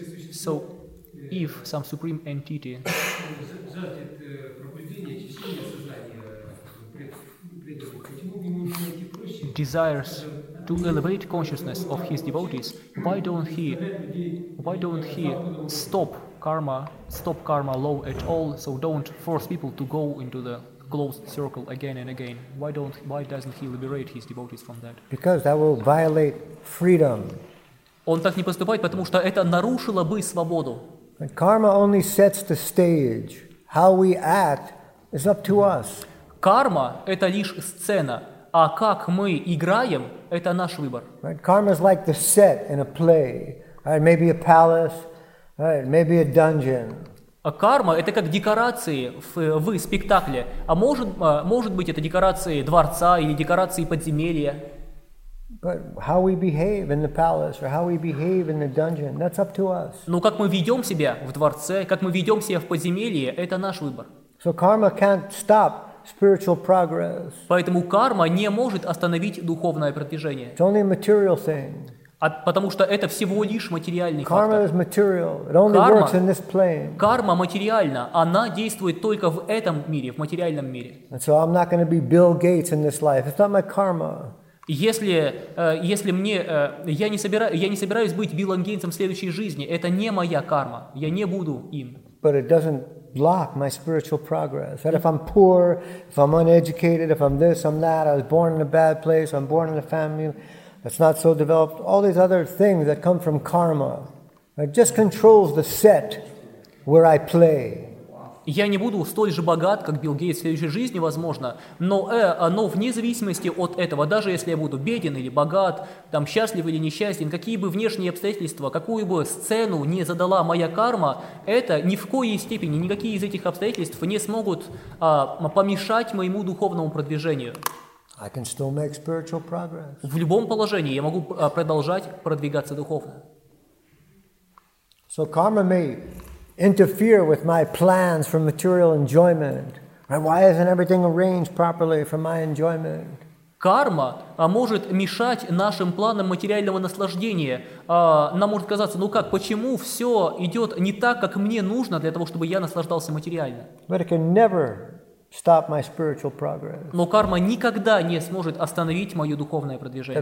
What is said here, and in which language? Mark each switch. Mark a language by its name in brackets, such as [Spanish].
[English] So, if some supreme entity desires to elevate consciousness of his devotees, why don't he stop karma low at all? So don't force people to go into the closed circle again and again. Why doesn't he liberate his devotees from that? Because that will violate freedom. [Russian] Он так не поступает, потому что это нарушило бы свободу. [English] Karma only sets the stage. How we act is up to us. [Russian] Карма — это лишь сцена, а как мы играем — это наш выбор. [English] Right? Karma is like the set in a play. Right? Maybe a palace, right? Maybe a dungeon. [Russian] Карма — это как декорации в спектакле. А может быть, это декорации дворца или декорации подземелья. [English] But how we behave in the palace or how we behave in the dungeon, that's up to us. [Russian] Но как мы ведем себя в дворце, как мы ведем себя в подземелье, это наш выбор. [English] So karma can't stop spiritual progress. [Russian] Поэтому карма не может остановить духовное продвижение. [English] It's only a material thing. [Russian] Потому что это всего лишь материальный фактор. [English] Karma is material. It only works in this plane. [Russian] Карма материальна. Она действует только в этом мире, в материальном мире. [English] And so I'm not going to be Bill Gates in this life. It's not my karma. [Russian] Если мне я не собираюсь быть Биллом Гейтсом в следующей жизни, это не моя карма, я не буду им. [English] But it doesn't block my spiritual progress. That if I'm poor, if I'm uneducated, if I'm this, I'm that, I was born in a bad place, I'm born in a family that's not so developed, all these other things that come from karma, it just controls the set where I play. [Russian] Я не буду столь же богат, как Билл Гейтс в следующей жизни, возможно, но вне зависимости от этого, даже если я буду беден или богат, там, счастлив или несчастен, какие бы внешние обстоятельства, какую бы сцену не задала моя карма, это ни в коей степени, никакие из этих обстоятельств не смогут помешать моему духовному продвижению. [English] I can still make spiritual progress. [Russian] В любом положении я могу продолжать продвигаться духовно. [English] So karma may interfere with my plans for material enjoyment. Why isn't everything arranged properly for my enjoyment? [Russian] Карма может мешать нашим планам материального наслаждения. Нам может казаться, ну как, почему все идет не так, как мне нужно для того, чтобы я наслаждался материально? [English] But it can never stop my spiritual progress. [Russian] Но карма никогда не сможет остановить мое духовное продвижение.